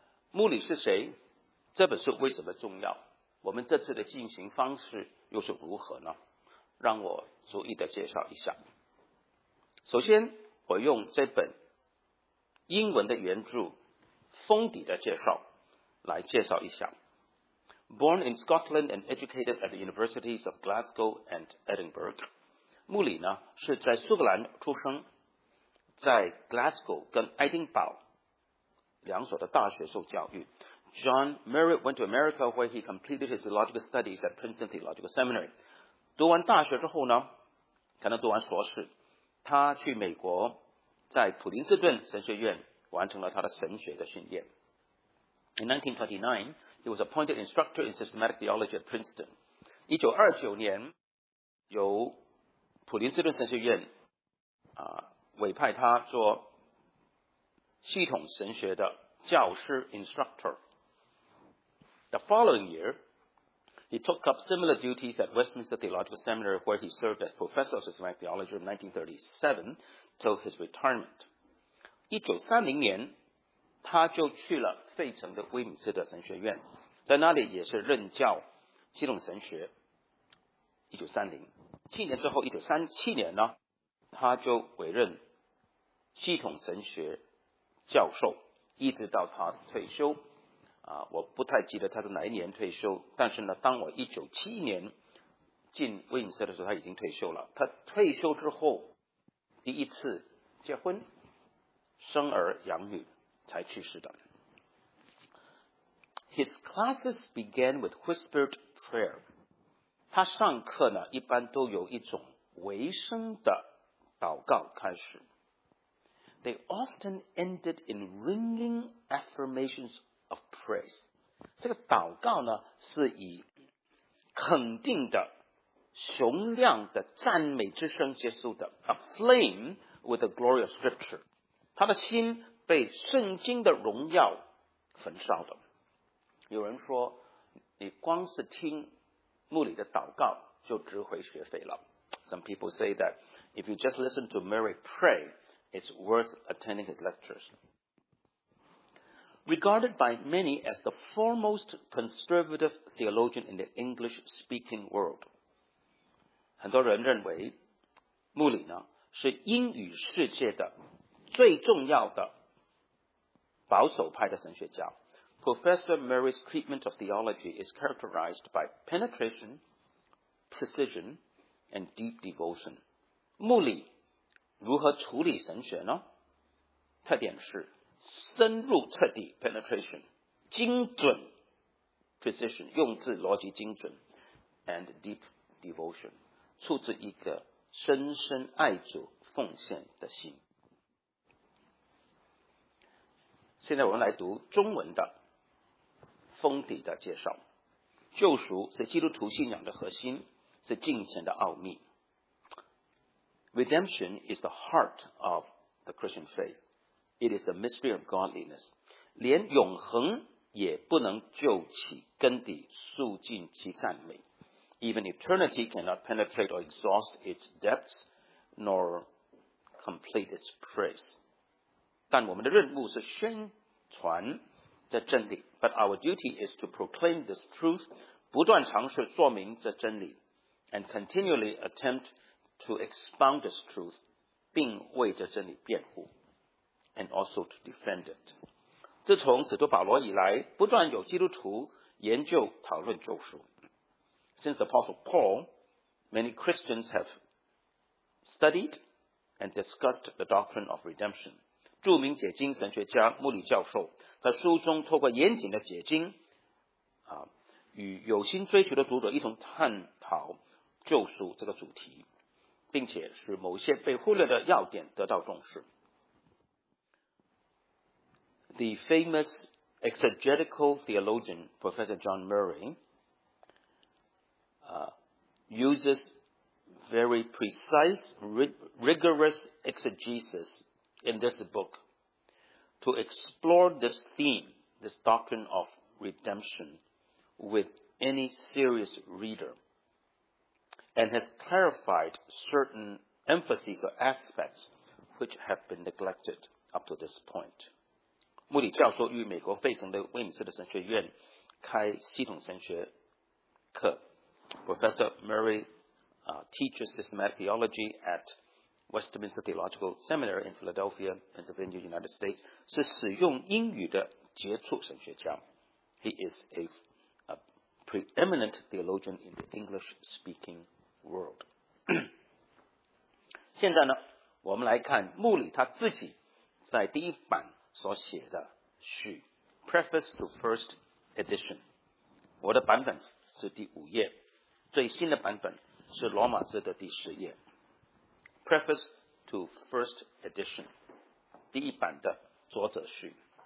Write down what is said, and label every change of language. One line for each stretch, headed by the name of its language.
Chinese: 穆里是谁？这本书为什么重要？我们这次的进行方式又是如何呢？让我逐一的介绍一下。首先我用这本英文的原著封底的介绍来介绍一下。
English: Born in Scotland and educated at the universities of Glasgow and Edinburgh，
Chinese: 穆里呢是在苏格兰出生，在 Glasgow 跟爱丁堡两所的大学受教育。
English: John Murray went to America where he completed his theological studies at Princeton Theological Seminary。
Chinese: 读完大学之后呢，可能读完硕士，他去美国在普林斯顿神学院完成了他的神学的训练。
English: In 1929, he was appointed instructor in systematic theology at Princeton。
Chinese: 1929年由普林斯顿神学院委派他做系统神学的教师 instructor。
English: The following year, he took up similar duties at Westminster Theological Seminary where he served as professor of systematic theology from 1937 till his retirement。
Chinese: 1930年他就去了费城的威敏斯特神学院，在那里也是任教系统神学。 1937年之后，1937年呢，他就委任系统神学教授，一直到他退休。我不太记得他是哪一年退休，但是呢，当我1971年进威敏斯特的时候，他已经退休了。他退休之后，第一次结婚，生儿养女，才去世的。
English: His classes began with whispered prayer。
Chinese: 他上课呢，一般都有一种微声的祷告开始。
English: They often ended in ringing affirmations of praise。
Chinese: 这个祷告呢是以肯定的雄亮的赞美之声结束的，
English: aflame with the glory of scripture。
Chinese: 他的心被圣经的荣耀焚烧的。有人说你光是听穆里的祷告就值回学费了。
English: Some people say that if you just listen to Mary pray, it's worth attending his lectures。
Chinese: Regarded by many as the foremost conservative theologian in the English-speaking world， 很多人认为穆里呢是英语世界的最重要的保守派的神学家。
English: Professor Murray's treatment of theology is characterized by penetration, precision, and deep devotion。
Chinese: 穆里如何处理神学呢？特点是深入彻底 penetration， 精准 precision， 用字逻辑精准
English: and deep devotion，
Chinese: 出自一个深深爱主奉献的心。现在我们来读中文的封底的介绍。救赎是基督徒信仰的核心，是敬虔的奥秘。
English: Redemption is the heart of the Christian faith. It is the mystery of godliness.
Chinese: 连永恒也不能救起根底肃静其赞美。
English: Even eternity cannot penetrate or exhaust its depths, nor complete its praise.
Chinese: 但我们的任务是宣传这真理。
English: But our duty is to proclaim this truth,
Chinese: 不断尝试说明这真理
English: and continually attempt to expound this truth,
Chinese: 并为这真理辩护
English: and also to defend it.
Chinese: 自从使徒保罗以来，不断有基督徒研究讨论救赎。
English: Since Apostle Paul, many Christians have studied and discussed the doctrine of redemption.
Chinese: 著名解经神学家穆里教授在书中透过严谨的解经、与有心追求的读者一同探讨救赎这个主题，并且使某些被忽略的要点得到重视。
English: The famous exegetical theologian Professor John Murray uses very precise, rigorous exegesis in this book to explore this theme, this doctrine of redemption, with any serious reader, and has clarified certain emphases or aspects which have been neglected up to this point.
Chinese: 穆里教授于美国费城的威姆斯的神学院开系统神学课。
English: Professor Murray teaches systematic theology at Westminster Theological Seminary in Philadelphia, Pennsylvania, United States.
Chinese: 是使用英语的杰出神学家。
English: He is a preeminent theologian in the English-speaking world.
Chinese: 现在呢，我们来看穆里他自己在第一版所写的序 ，Preface to First Edition。我的版本是第五页。最新的版本是罗马字的第十页 Preface to First Edition 第一版的作者序